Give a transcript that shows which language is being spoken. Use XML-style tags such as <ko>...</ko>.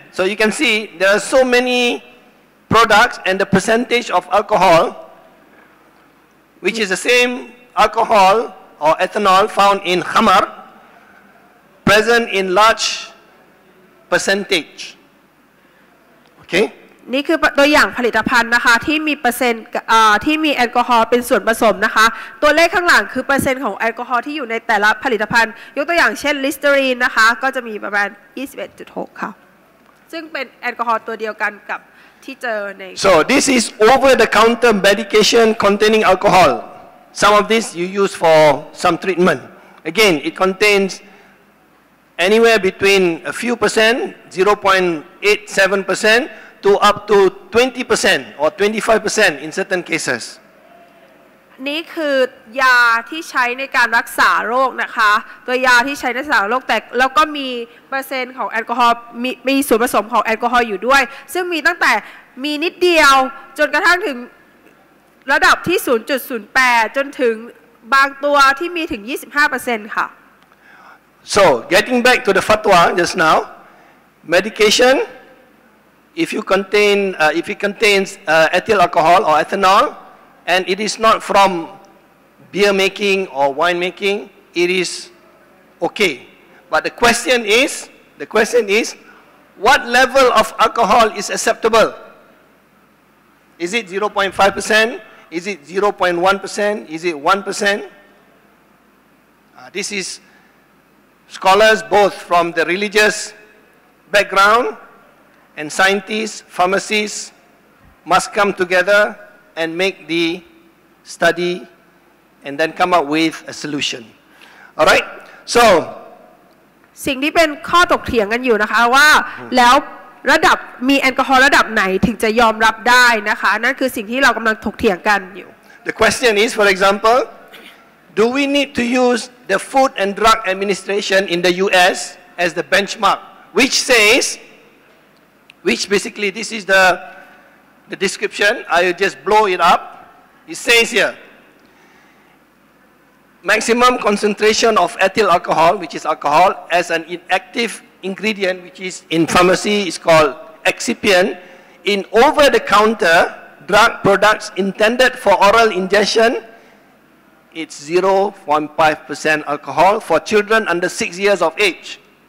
<en>So you can see there are so many products and the percentage of alcohol, which is the same alcohol or ethanol found in khamar, present in large percentage. Okay?</en> <th>นี่คือตัวอย่างผลิตภัณฑ์นะคะที่มีเปอร์เซ็นต์ที่มีแอลกอฮอล์เป็นส่วนผสมนะคะตัวเลขข้างหลังคือเปอร์เซ็นต์ของแอลกอฮอล์ที่อยู่ในแต่ละผลิตภัณฑ์ยกตัวอย่างเช่นลิสเตอรีนนะคะก็จะมีประมาณ 21.6 ค่ะซึ่งเป็นแอลกอฮอล์ตัวเดียวกันกับที่เจอใน</th> <en>So this is over the counter medication containing alcohol. Some of this you use for some treatment. Again, it contains anywhere between a few percent, 0.87%to up to 20% or 25% in certain cases.</en> <th>นี่คือยาที่ใช้ในการรักษาโรคนะคะตัวยาที่ใช้ในรักษาโรคแต่แล้วก็มีเปอร์เซ็นต์ของแอลกอฮอล์มีส่วนผสมของแอลกอฮอล์อยู่ด้วยซึ่งมีตั้งแต่มีนิดเดียวจนกระทั่งถึงระดับที่ 0.08 จนถึงบางตัวที่มีถึง 25% ค่ะ</th> <en>So getting back to the fatwa just now medicationIf it contains ethyl alcohol or ethanol, and it is not from beer making or wine making, it is okay. But the question is, what level of alcohol is acceptable? Is it 0.5%? Is it 0.1%? Is it 1%? This is scholars both from the religious background. And scientists, pharmacists must come together and make the study and then come up with a solution. All right? So,</en> <th>สิ่งที่เป็นข้อถกเถียงกันอยู่นะคะว่าแล้วระดับมีแอลกอฮอล์ระดับไหนถึงจะยอมรับได้นะคะนั่นคือสิ่งที่เรากำลังถกเถียงกันอยู่</th> <en>The question is, for example, do we need to use the Food and Drug Administration in the US as the benchmark, which sayswhich basically this is the description, I just blow it up. It says here, maximum concentration of ethyl alcohol, which is alcohol, as an active ingredient, which is in pharmacy, is called excipient, in over-the-counter drug products intended for oral ingestion, it's 0.5% alcohol for children under 6 years of age.</en>